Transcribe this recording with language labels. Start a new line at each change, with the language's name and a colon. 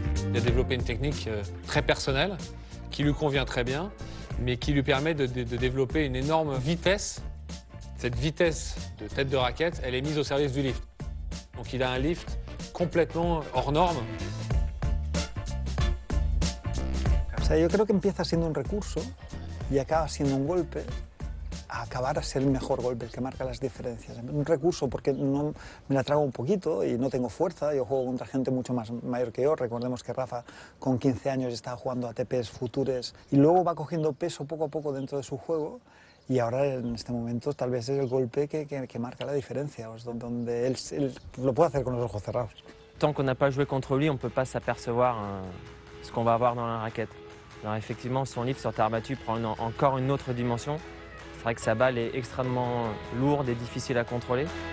French: Il a développé une technique très personnelle qui lui convient très bien, mais qui lui permet de développer une énorme vitesse. Cette vitesse de tête de raquette, elle est mise au service du lift. Donc il a un lift complètement hors norme.
Spanish: O sea, yo creo que empieza siendo un recurso y acaba siendo un golpe, a acabar a ser el mejor golpe, el que marca las diferencias. Un recurso porque no me la trago un poquito y no tengo fuerza, yo juego contra gente mucho más mayor que yo. Recordemos que Rafa con 15 años estaba jugando ATPs futures y luego va cogiendo peso poco a poco dentro de su juego. Y ahora, en este momento, tal vez es el golpe que marca la diferencia, donde él lo puede hacer con los ojos cerrados.
French: Tant qu'on n'a pas joué contre lui, on ne peut pas s'apercevoir ce qu'on va avoir dans la raquette. Alors effectivement, son lift sur terre battue prend encore une autre dimension. C'est vrai que sa balle est extrêmement lourde et difficile à contrôler.